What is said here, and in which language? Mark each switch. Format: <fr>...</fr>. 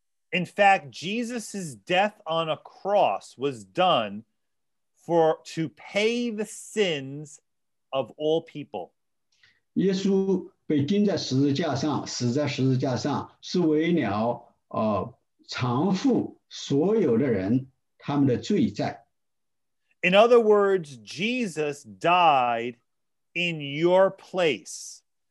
<en>In fact, Jesus' death on a cross was done to pay the sins of all people.</en> <zh>耶稣被钉在十字架上，死在十字架上，是为了偿付所有的人他们的罪债。</zh> <en>In other words, Jesus died in your place.</en>